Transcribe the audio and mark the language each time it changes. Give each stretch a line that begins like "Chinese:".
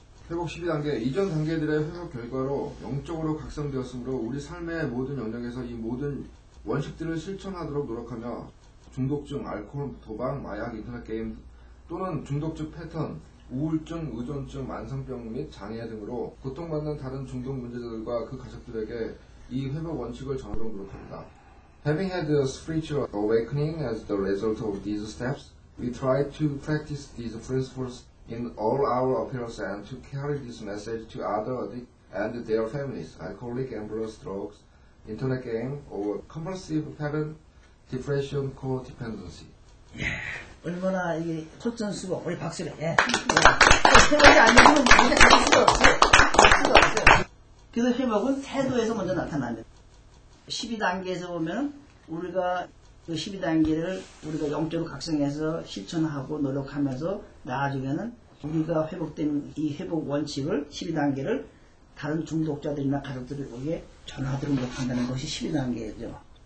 Korean: 회복 12단계, 이전 단계들의 회복 결과로 영적으로 각성되었으므로 우리 삶의 모든 영역에서 이 모든 원칙들을 실천하도록 노력하며 중독증, 알코올, 도박, 마약, 인터넷 게임 또는 중독증 패턴, 우울증, 의존증, 만성병 및 장애 등으로 고통받는 다른 중독 문제자들과 그 가족들에게 이 회복 원칙을 적용 노력합니다.
English: Having had a spiritual awakening as the result of these steps, we try to practice these principles in all our appearance and to carry this message to other addicts and their families, alcoholic, gamblers, drugs, internet game, or compulsive pattern, depression, codependency.
Korean: 예, 얼마나 이게 속전수고 우리 박수를 예. 회복이 안 되면 이제 할 수가 없어요. 할 수가 없어요. 그래서 회복은 태도에서 먼저 나타납니다. 12단계에서 보면 우리가 그 12단계를 우리가 영적으로 각성해서 실천하고 노력하면서 나중에는 우리가 회복된 이 회복 원칙을 12단계를 다른 중독자들이나 가족들에게 전하도록 노력한다는 것이 12단계죠.